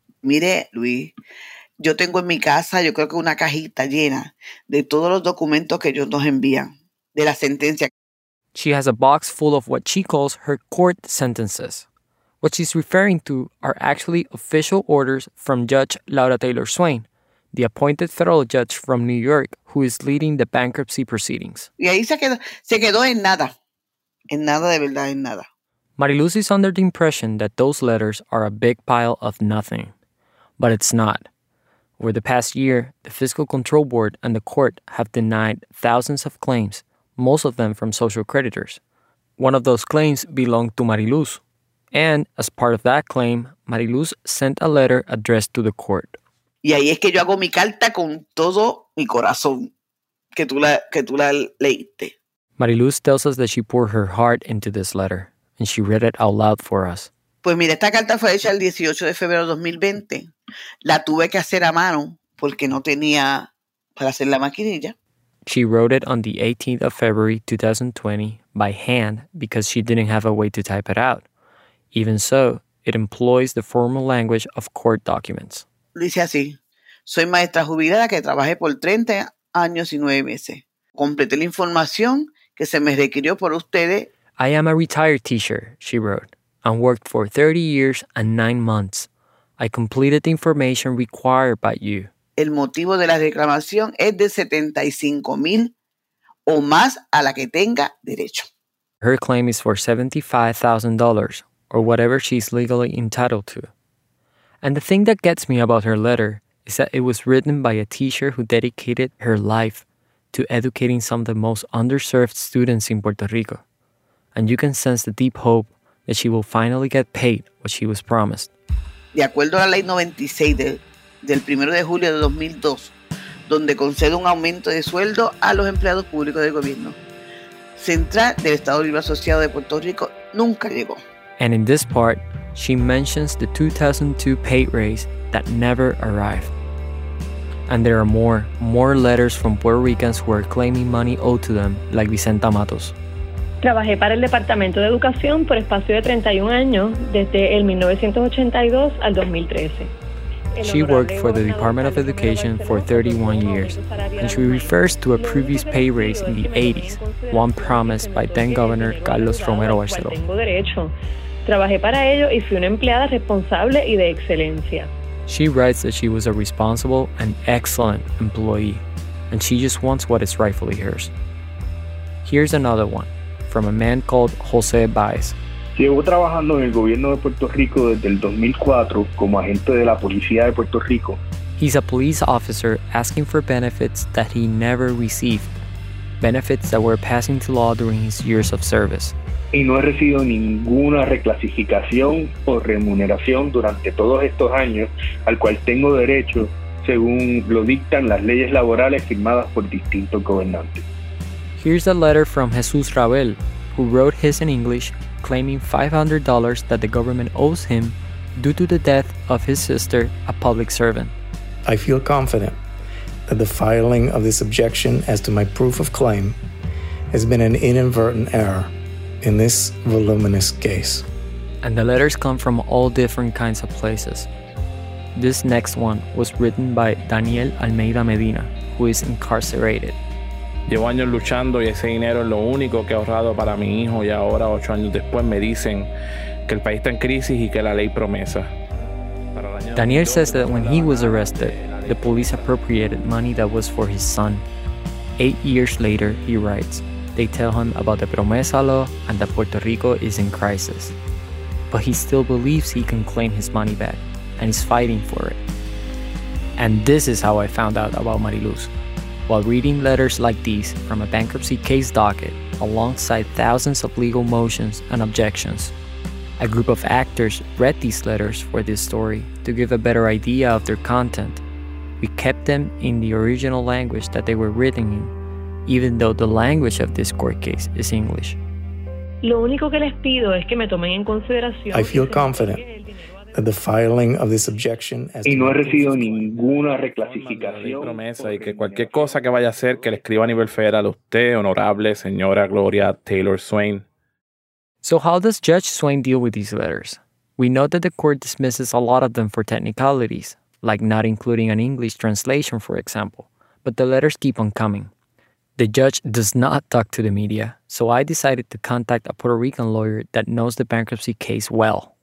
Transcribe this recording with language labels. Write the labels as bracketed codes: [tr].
[es] Mire, Luis, yo tengo en mi casa, yo creo que una cajita llena de todos los documentos que ellos nos envían, de la sentencia. [en] She has a box full of what she calls her court sentences. What she's referring to are actually official orders from Judge Laura Taylor Swain, the appointed federal judge from New York who is leading the bankruptcy proceedings. [es] Y ahí se quedó en nada. En nada de verdad, en nada. [en] Mariluz is under the impression that those letters are a big pile of nothing. But it's not. Over the past year, the Fiscal Control Board and the court have denied thousands of claims, most of them from social creditors. One of those claims belonged to Mariluz. And as part of that claim, Mariluz sent a letter addressed to the court. [es] Y ahí es que yo hago mi carta con todo mi corazón, que tú la leíste. [en] Mariluz tells us that she poured her heart into this letter, and she read it out loud for us. [es] Pues mira, esta carta fue hecha el 18 de febrero de 2020. La tuve que hacer a mano porque no tenía para hacer la maquinilla. [en] She wrote it on the 18th of February 2020 by hand because she didn't have a way to type it out. Even so, it employs the formal language of court documents. [es] Dice así, soy maestra jubilada que trabajé por 30 años y 9 meses. Completé la información que se me requirió por ustedes. [en] I am a retired teacher, she wrote, and worked for 30 years and 9 months. I completed the information required by you. [es] El motivo de la reclamación es de 75,000 o más a la que tenga derecho. [en] Her claim is for $75,000 or whatever she's legally entitled to. And the thing that gets me about her letter is that it was written by a teacher who dedicated her life to educating some of the most underserved students in Puerto Rico. And you can sense the deep hope that she will finally get paid what she was promised. [es] De acuerdo a la ley 96 del 1 de julio de 2002, donde concede un aumento de sueldo a los empleados públicos del gobierno central del Estado Libre Asociado de Puerto Rico, nunca llegó. [en] And in this part, she mentions the 2002 pay raise that never arrived. And there are more letters from Puerto Ricans who are claiming money owed to them, like Vicenta Matos. [es] Trabajé para el Departamento de Educación por espacio de 31 años, desde el 1982 al 2013. [en] She worked for the Department of Education for 31 years, and she refers to a previous pay raise in the 80s, one promised by then-Governor Carlos Romero Barceló. [es] Tengo derecho. Trabajé para ello y fui una empleada responsable y de excelencia. [en] She writes that she was a responsible and excellent employee, and she just wants what is rightfully hers. Here's another one from a man called Jose Baez. [es] Llevo trabajando en el gobierno de Puerto Rico desde el 2004 como agente de la policía de Puerto Rico. [en] He's a police officer asking for benefits that he never received, benefits that were passed into law during his years of service. [es] Y no he recibido ninguna reclasificación o remuneración durante todos estos años al cual tengo derecho según lo dictan las leyes laborales firmadas por distintos gobernantes. [en] Here's a letter from Jesus Ravel, who wrote his in English, claiming $500 that the government owes him due to the death of his sister, a public servant. I feel confident that the filing of this objection as to my proof of claim has been an inadvertent error in this voluminous case. And the letters come from all different kinds of places. This next one was written by Daniel Almeida Medina, who is incarcerated. [es] Llevo años luchando y ese dinero es lo único que he ahorrado para mi hijo y ahora, 8 años después, me dicen que el país está en crisis y que la ley promesa. [en] Daniel says that when he was arrested, the police appropriated money that was for his son. 8 years later, he writes, they tell him about the promesa law and that Puerto Rico is in crisis. But he still believes he can claim his money back, and is fighting for it. And this is how I found out about Mariluz. While reading letters like these from a bankruptcy case docket, alongside thousands of legal motions and objections, a group of actors read these letters for this story to give a better idea of their content. We kept them in the original language that they were written in, even though the language of this court case is English. I feel confident that the filing of this objection has [es] y no he recibido ninguna reclasificación promesa y que cualquier cosa que vaya a hacer que le escriba a nivel federal a usted honorable señora Gloria Taylor Swain. [en] So how does Judge Swain deal with these letters? We know that the court dismisses a lot of them for technicalities, like not including an English translation, for example, but the letters keep on coming. The judge does not talk to the media, so I decided to contact a Puerto Rican lawyer that knows the bankruptcy case well.